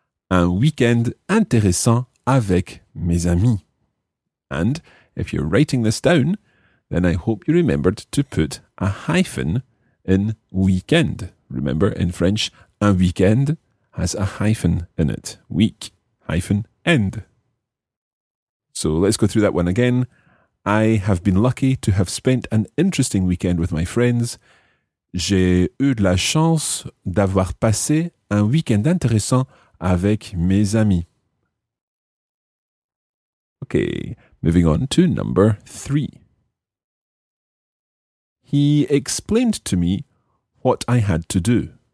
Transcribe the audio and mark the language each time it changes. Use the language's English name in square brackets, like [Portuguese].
[French] Un weekend intéressant avec mes amis. [English] And if you're writing this down, then I hope you remembered to put a hyphen in weekend. Remember, in French, un weekend has a hyphen in it. Week, hyphen, end. So let's go through that one again. I have been lucky to have spent an interesting weekend with my friends. [French] J'ai eu de la chance d'avoir passé un week-end intéressant avec mes amis. [English] Okay, moving on to number three. He explained to me what I had to do.